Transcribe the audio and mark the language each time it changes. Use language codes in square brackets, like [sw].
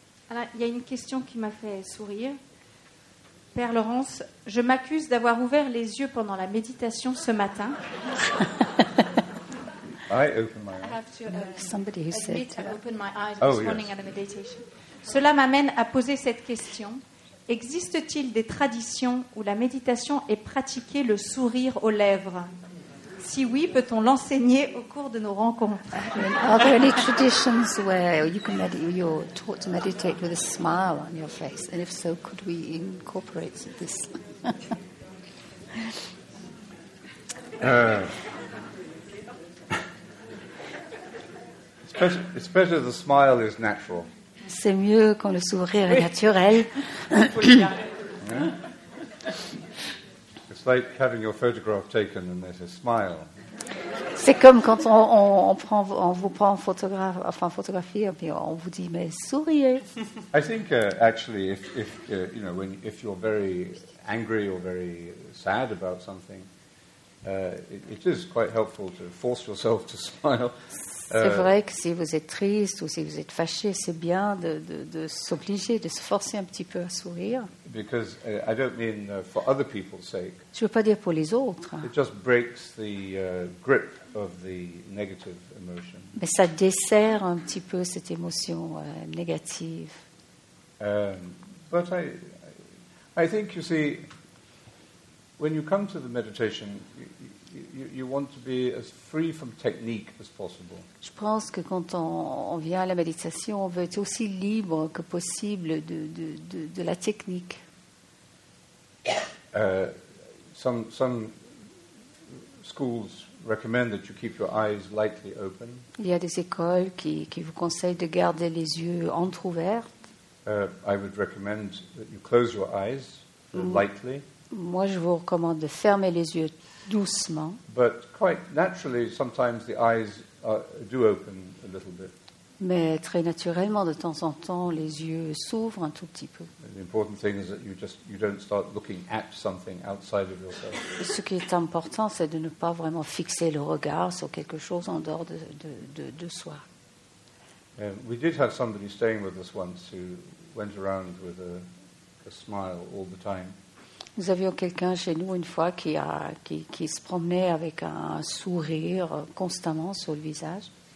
[fr] Alors, il y a une question qui m'a fait sourire. Père Laurence, je m'accuse d'avoir ouvert les yeux pendant la méditation ce matin. [en] I open my eyes. I have to somebody who admit said I opened my eyes this morning at a meditation. [fr] Cela m'amène à poser cette question. Existe-t-il des traditions où la méditation est pratiquée le sourire aux lèvres? Si oui, peut-on l'enseigner au cours de nos rencontres? [en] Are there any traditions where you can you're taught to meditate with a smile on your face? And if so, could we incorporate this? especially the smile is natural. [fr] C'est mieux quand le sourire est naturel. [en] It's like having your photograph taken and there's a smile. [fr] C'est comme quand on vous prend photographie et puis on vous dit mais souriez. [en] I think actually if you're very angry or very sad about something, it is quite helpful to force yourself to smile. [fr] C'est vrai que si vous êtes triste ou si vous êtes fâché, c'est bien de s'obliger, de se forcer un petit peu à sourire. [en] Because I don't mean for other people's sake. [fr] Je veux pas dire pour les autres. [en] It just breaks the grip of the negative emotion. [fr] Mais ça desserre un petit peu cette émotion négative. [en] But I think you see, when you come to the meditation. You want to be as free from technique as possible. [fr] Je pense que quand on vient à la méditation, on veut être aussi libre que possible de la technique. [en] Some schools recommend that you keep your eyes lightly open. [fr] Il y a des écoles qui vous conseillent de garder les yeux entrouverts. [en] I would recommend that you close your eyes lightly. [fr] Moi, je vous recommande de fermer les yeux doucement. [en] But quite naturally, sometimes the eyes do open a little bit. [fr] Mais très naturellement, de temps en temps, les yeux s'ouvrent un tout petit peu. [en] The important thing is that you don't start looking at something outside of yourself. [fr] Ce qui est important, c'est de ne pas vraiment fixer le regard sur quelque chose en dehors de soi. [en] We did have somebody staying with us once who went around with a smile all the time. [fr] Nous avions quelqu'un chez nous une fois qui se promenait avec un sourire constamment sur le visage.